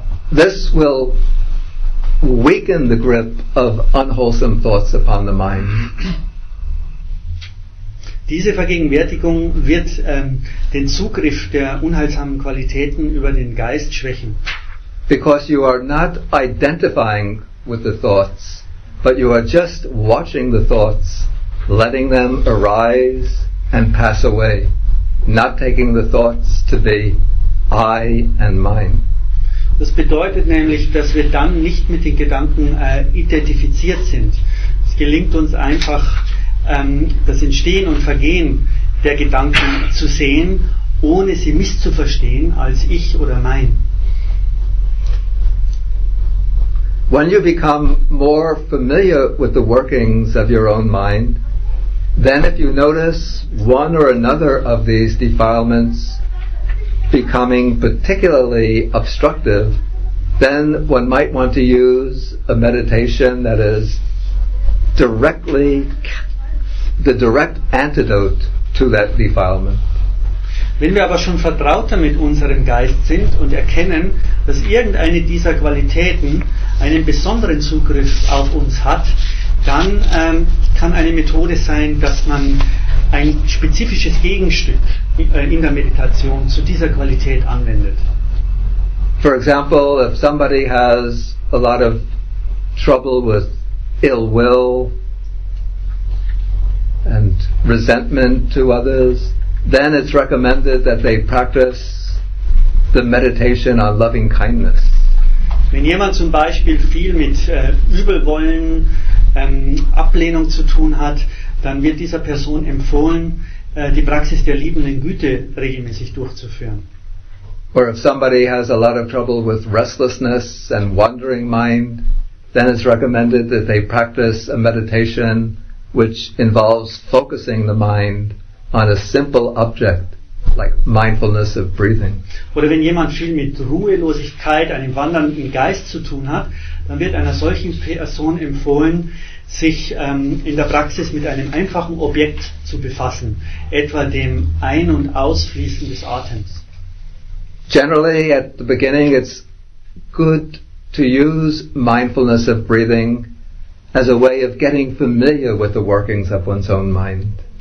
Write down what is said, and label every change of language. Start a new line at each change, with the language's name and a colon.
English: This will weaken the grip of unwholesome thoughts upon the mind.
German: Diese Vergegenwärtigung wird den Zugriff der unheilsamen Qualitäten über den Geist schwächen.
English: Because you are not identifying with the thoughts, but you are just watching the thoughts, letting them arise and pass away, not taking the thoughts to be I and mine.
German: Das bedeutet nämlich, dass wir dann nicht mit den Gedanken identifiziert sind. Es gelingt uns einfach, das Entstehen und Vergehen der Gedanken zu sehen, ohne sie misszuverstehen als ich oder mein.
English: When you become more familiar with the workings of your own mind, then if you notice one or another of these defilements becoming particularly obstructive, then one might want to use a meditation that is directly the direct antidote to that defilement.
German: Wenn wir aber schon vertrauter mit unserem Geist sind und erkennen, dass irgendeine dieser Qualitäten einen besonderen Zugriff auf uns hat, dann kann eine Methode sein, dass man ein spezifisches Gegenstück in der Meditation zu dieser Qualität anwendet.
English: For example, if somebody has a lot of trouble with ill will and resentment to others, then it's recommended that they practice the meditation on loving kindness.
German: Wenn jemand zum Beispiel viel mit Übelwollen, Ablehnung zu tun hat, dann wird dieser Person empfohlen, die Praxis der liebenden Güte regelmäßig durchzuführen.
English: Or if somebody has a lot of trouble with restlessness and wandering mind, then it's recommended that they practice a meditation which involves focusing the mind on a simple object, like mindfulness of breathing.
German: Oder wenn jemand viel mit Ruhelosigkeit, einem wandernden Geist zu tun hat, dann wird einer solchen Person empfohlen, sich in der Praxis mit einem einfachen Objekt zu befassen, etwa dem Ein- und Ausfließen des Atems.
English: Generally, at the beginning, it's good to use mindfulness of breathing as a way of getting familiar with the workings of one's own mind.